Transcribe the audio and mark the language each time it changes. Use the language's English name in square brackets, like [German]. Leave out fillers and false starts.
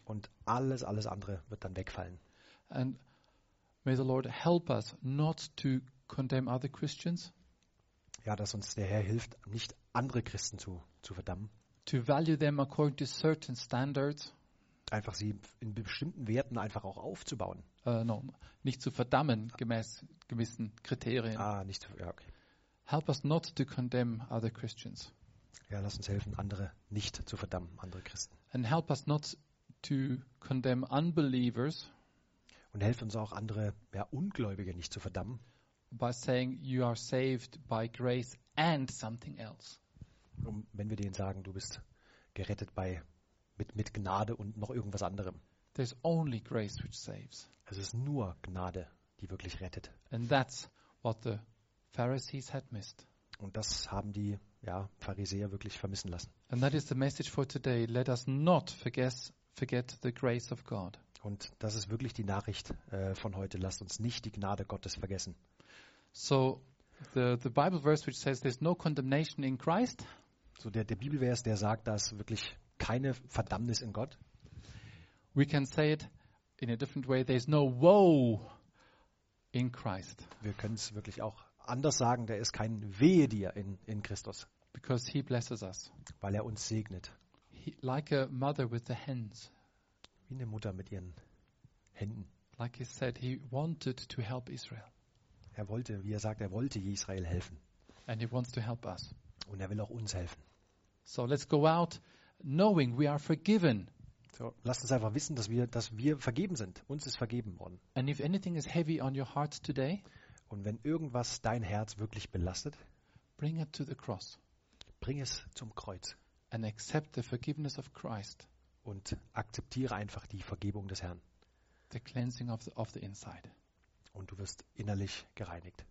[German] Und alles andere wird dann wegfallen. [English] And may the Lord help us not to condemn other Christians. [German] Ja, dass uns der Herr hilft, nicht andere Christen zu verdammen. [English] To value them according to certain standards. [German] Einfach sie in bestimmten Werten einfach auch aufzubauen. Nicht zu verdammen gemäß gewissen Kriterien. Ah, nicht zu, ja, okay. [English] Help us not to condemn other Christians. [German] Ja, lass uns helfen, andere nicht zu verdammen, andere Christen. [English] And help us not to condemn unbelievers. [German] Und helf uns auch, andere, ja, Ungläubige nicht zu verdammen. [English] By saying you are saved by grace and something else. [German] Und wenn wir denen sagen, du bist gerettet mit Gnade und noch irgendwas anderem. [English] There's only grace which saves. [German] Es ist nur Gnade, die wirklich rettet. [English] And that's what the Pharisees had missed. [German] Und das haben die, ja, Pharisäer wirklich vermissen lassen. [English] And that is the message for today. Let us not forget the grace of God. [German] Und das ist wirklich die Nachricht von heute. Lasst uns nicht die Gnade Gottes vergessen. [English] So the Bible verse which says there's no condemnation in Christ. [German] So der Bibelvers, der sagt, dass wirklich keine Verdammnis in Gott. [English] We can say it in a different way. There's no woe in Christ. [German] Wir können es wirklich auch anders sagen. Da ist kein Wehe dir in Christus. [English] Because he blesses us. [German] Weil er uns segnet. [English] Like a mother with the hands. [German] Wie eine Mutter mit ihren Händen. [English] Like he said, he wanted to help Israel. [German] Er wollte, wie er sagt, er wollte Israel helfen. [English] And he wants to help us. [German] Und er will auch uns helfen. [English] So let's go out knowing we are forgiven. [German] So, lasst uns einfach wissen, dass wir vergeben sind. Uns ist vergeben worden. [English] And if anything is heavy on your heart today, [German] und wenn irgendwas dein Herz wirklich belastet, [English] bring it to the cross. [German] Bring es zum Kreuz. [English] And accept the forgiveness of Christ. [German] Und akzeptiere einfach die Vergebung des Herrn. [English] The cleansing of the inside. [German] Und du wirst innerlich gereinigt.